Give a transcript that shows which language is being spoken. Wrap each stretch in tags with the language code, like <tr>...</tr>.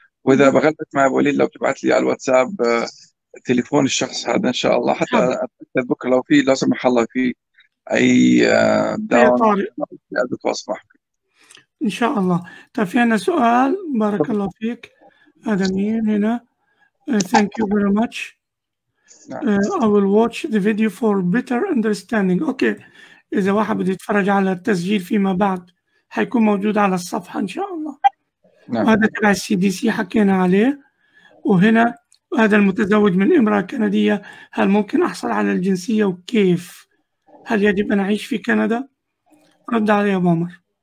<ar>واذا بغلطت مع ابو وليد لو تبعت لي على الواتساب تليفون الشخص هذا ان شاء الله، حتى حاضر. اتاكد بكره لو في لا سمح الله في اي أي داون طارئ. اتواصل معك. إن شاء الله. طيب في عندنا سؤال، بارك الله فيك. هذا مين هنا؟</ar> <en>Thank you very much. I will watch the video for better understanding. Okay.</en> <ar>إذا واحد بده يتفرج على التسجيل فيما بعد حيكون موجود على الصفحة إن شاء الله. نعم. وهذا تبع CDC حكينا عليه. وهنا هذا المتزوج من امرأة كندية، هل ممكن أحصل على الجنسية وكيف؟ هل يجب أن أعيش في كندا؟ رد علي يا عمر.</ar>